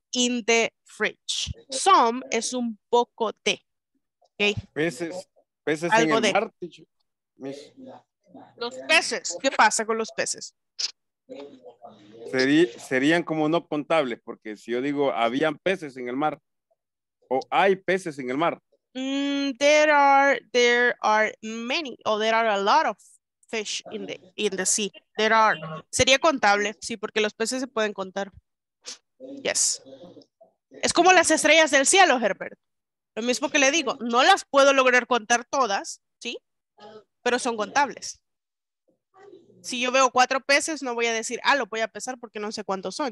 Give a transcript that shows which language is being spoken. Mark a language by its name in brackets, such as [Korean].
[English] in the fridge. [Spanish] Some es un poco de. Okay. Peces. Peces algo en el mar, miss. Los peces. ¿Qué pasa con los peces? Serían como no contables, porque si yo digo habían peces en el mar o hay peces en el mar. [English] There are many or there are a lot of fish in the sea. There are. [Spanish] Sería contable, sí, porque los peces se pueden contar. Yes. Es como las estrellas del cielo, Herbert. Lo mismo que le digo, no las puedo lograr contar todas, ¿sí? Pero son contables. Si yo veo cuatro peces, no voy a decir, ah, lo voy a pesar porque no sé cuántos son.